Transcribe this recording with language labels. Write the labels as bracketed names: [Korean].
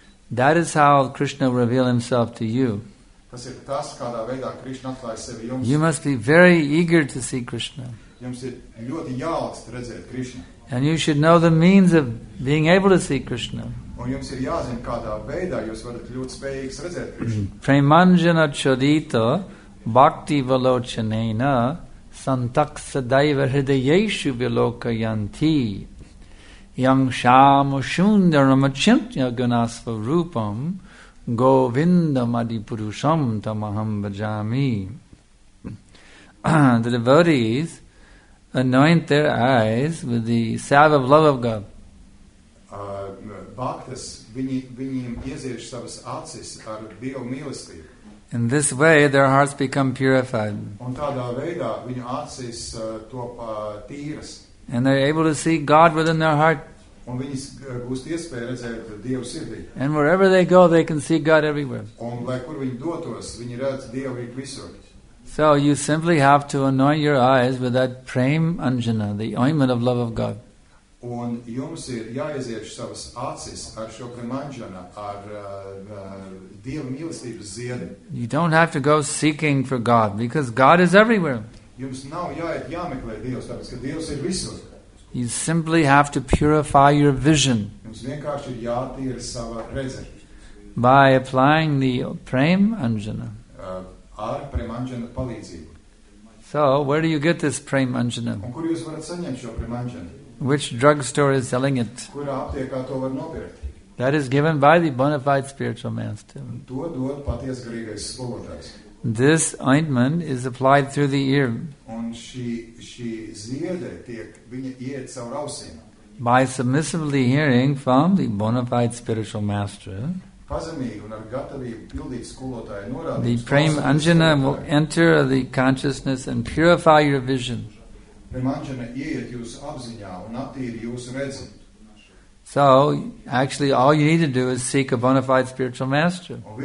[English] That is how Krishna will reveal himself to you. [Latvian] Tas ir tas, kādā veidā Krishna atklājas sevi jums. [English] You must be very eager to see Krishna. [Latvian] Jums ir ļoti jālaksts redzēt Krishna. [English] And you should know the means of being able to see Krishna. [Latvian] Un jums ir jāzin, kādā veidā jūs varat ļoti spējīgs redzēt Krishna. [Sanskrit] Premanjana chodito bhakti valochanena santaksa daiva hridayeshu vilokayanti yang shamu shundaram achintya gunasva rupam govindam adipurusham tamaham bhajami. [English] The devotees anoint their eyes with the salve of love of God. [Latvian] Bhaktas, viņiem iezieš savas acis ar dievu mīlestību. [English] In this way, their hearts become purified. [Latvian] Un tādā veidā viņu acis top tīras. [English] And they're able to see God within their heart. [Latvian] Un viņi gūst iespēju redzēt Dievu sirdī. [English] And wherever they go, they can see God everywhere. [Latvian] Un lai kur viņi dotos, viņi redz Dievu ik visur. [English] So you simply have to anoint your eyes with that prem anjana, the ointment of love of God. [Latvian] Un jums ir jāiezieš savas acis ar šo premanjana, ar Dieva mīlestības ziedi. [English] You don't have to go seeking for God, because God is everywhere. [Latvian] Jums nav jāiet jāmeklē Dievs, tāpēc, ka Dievs ir visur. [English] You simply have to purify your vision. [Latvian] Jums vienkārši ir jātīra sava redze. [English] By applying the premanjana. [Latvian] Ar premanjana palīdzību. [English] So, where do you get this premanjana? [Latvian] Un kur jūs varat saņemt šo premanjana? [English] Which drugstore is selling it? [Latvian] Kurā aptiekā to var nopirkt? [English] That is given by the bona fide spiritual master. [Latvian] To dod paties garīgais skolotājs. [English] This ointment is applied through the ear. [Latvian] Un šī ziede tiek, viņa iet caur ausīm. [English] By submissively hearing from the bona fide spiritual master, [Latvian] pazemīgi un ar gatavību pildīt skolotāju norādījums, [English] the prem anjana will enter the consciousness and purify your vision. [Latvian] Premanjana ieiet jūsu apziņā un attīri jūsu redzi. [English] So, actually, all you need to do is seek a bona fide spiritual master.